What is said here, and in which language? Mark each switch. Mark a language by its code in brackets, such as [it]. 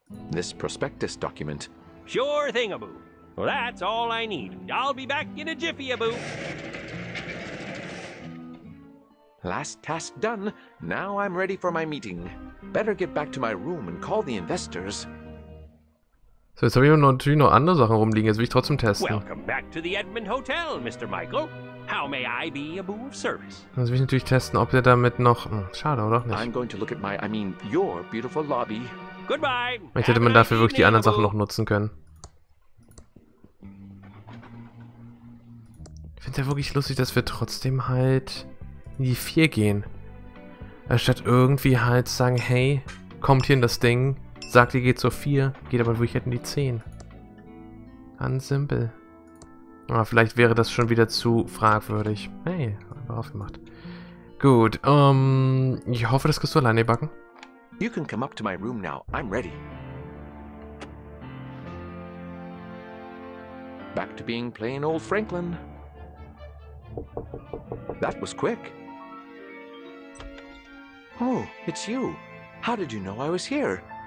[en] This prospectus document. Sure thing, Abu. That's all I need. I'll be back in a jiffy, Abu. Last task done. Now I'm ready for my meeting. Better get back to my room and call the investors. [de] So, jetzt habe ich natürlich noch andere Sachen rumliegen. Jetzt will ich trotzdem testen. [en] Welcome back to the Edmund Hotel, Mr. Michael. How may I be a boon of service? [de] Jetzt will ich natürlich testen, ob er damit noch... schade, oder? Nicht. [en] I'm going to look at my... I mean, your beautiful lobby. Goodbye. [de] Vielleicht hätte man dafür wirklich die anderen Sachen noch nutzen können. Ich finde es ja wirklich lustig, dass wir trotzdem halt... in die 4 gehen. Anstatt irgendwie halt sagen, hey, kommt hier in das Ding, sagt ihr geht zur 4, geht aber wirklich halt in die 10. Ganz simpel. Aber vielleicht wäre das schon wieder zu fragwürdig. Hey, einfach aufgemacht. Gut, ich hoffe, das kriegst du alleine backen. [en] You can come up to my room now. I'm ready. Back to being plain old Franklin. That was quick. Oh, it's you. How did you know I was here?